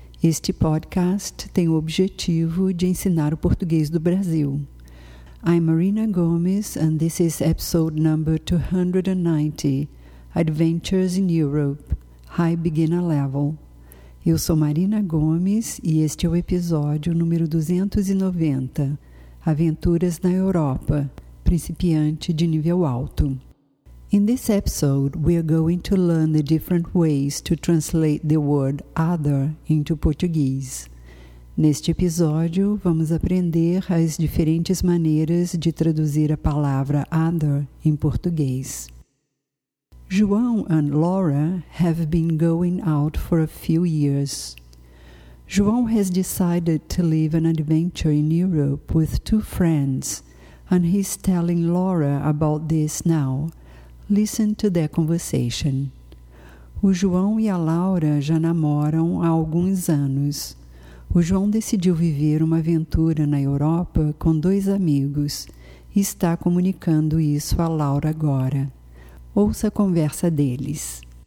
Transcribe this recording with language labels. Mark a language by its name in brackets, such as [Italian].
[Portuguese] Este podcast tem o objetivo de ensinar o português do Brasil. [English] I'm Marina Gomes and this is episode number 290, Adventures in Europe, High Beginner Level. [Portuguese] Eu sou Marina Gomes e este é o episódio número 290, Aventuras na Europa, Principiante de Nível Alto. [English] In this episode, we are going to learn the different ways to translate the word other into Portuguese. [Portuguese] Neste episódio, vamos aprender as diferentes maneiras de traduzir a palavra other em português. [English] João and Laura have been going out for a few years. João has decided to live an adventure in Europe with two friends, and he's telling Laura about this now. Listen to their conversation. [Portuguese] O João e a Laura já namoram há alguns anos. O João decidiu viver uma aventura na Europa com dois amigos e está comunicando isso a Laura agora. Ouça a conversa deles.